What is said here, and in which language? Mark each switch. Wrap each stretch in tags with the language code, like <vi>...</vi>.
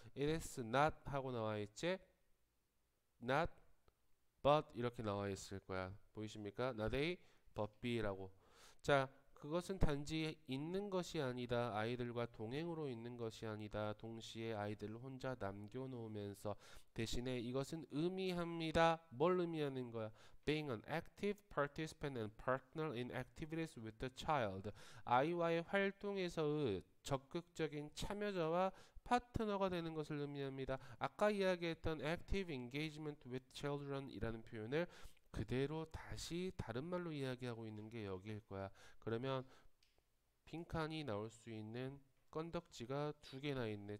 <en>It is not</en> <ko>하고 나와 있지? not but 이렇게 나와 있을 거야. 보이십니까? not A but B라고. 자, 그것은 단지 있는 것이 아니다. 아이들과 동행으로 있는 것이 아니다. 동시에 아이들을 혼자 남겨놓으면서 대신에 이것은 의미합니다. 뭘 의미하는 거야?</ko> <en>Being an active participant and partner in activities with the child.</en> <ko>아이와의 활동에서의 적극적인 참여자와 파트너가 되는 것을 의미합니다. 아까 이야기했던</ko> <en>active engagement with children</en> <ko>이라는 표현을 그대로 다시 다른 말로 이야기하고 있는 게 여기일 거야. 그러면 빈칸이 나올 수 있는 건덕지가 두 개나 있네.</ko>